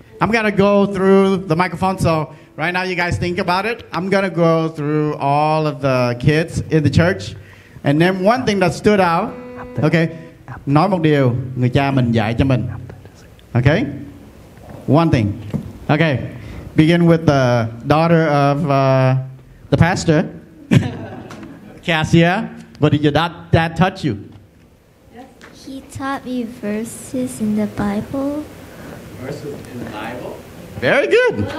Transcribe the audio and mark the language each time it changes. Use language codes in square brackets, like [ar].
[en] I'm gonna go through the microphone, so right now you guys think about it. I'm gonna go through all of the kids in the church, and then one thing that stood out, okay? [vi] Nói một điều người cha mình dạy cho mình, okay? [en] One thing, okay? Begin with the daughter of the pastor, Cassia. What did your dad teach you? He taught me verses in the Bible. Very good.